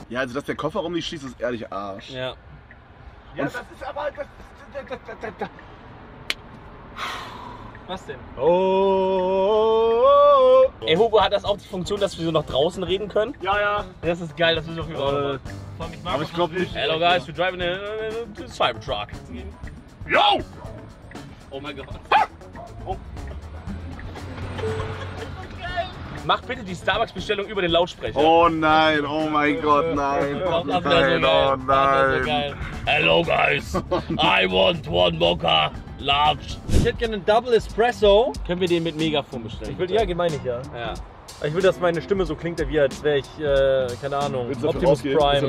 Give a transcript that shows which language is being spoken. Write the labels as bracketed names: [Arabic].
[German] Ja, also dass der Kofferraum nicht schießt, ist ehrlich Arsch. Ja. Und ja, das ist aber... Das. Was denn? Oh. Ey, Hugo, hat das auch die Funktion, dass wir so nach draußen reden können? Ja. Das ist geil, dass wir so viel brauchen. Aber ich glaube nicht. [English] Hello guys, we're driving a Cybertruck. Yo! [German] Oh mein Gott. Oh. Mach bitte die Starbucks-Bestellung über den Lautsprecher. Oh nein, oh mein Gott, nein. Nein, oh nein. [English] Hello guys, I want one mocha large. [German] Ich hätte gerne einen Double Espresso. Können wir den mit Megafon bestellen? Ich will, ja, meine ich ja. Ja. Ich will, dass meine Stimme so klingt, wie als wäre ich, keine Ahnung, Optimus Prime.